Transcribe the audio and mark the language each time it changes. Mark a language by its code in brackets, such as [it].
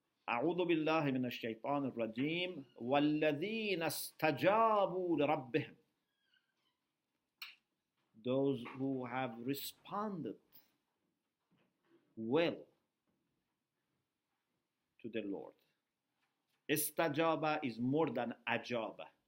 [ar] أعوذ بالله من الشيطان الرجيم والذين استجابوا لربهم. [en] Those who have responded well to the Lord. استجابة is more than أجابة.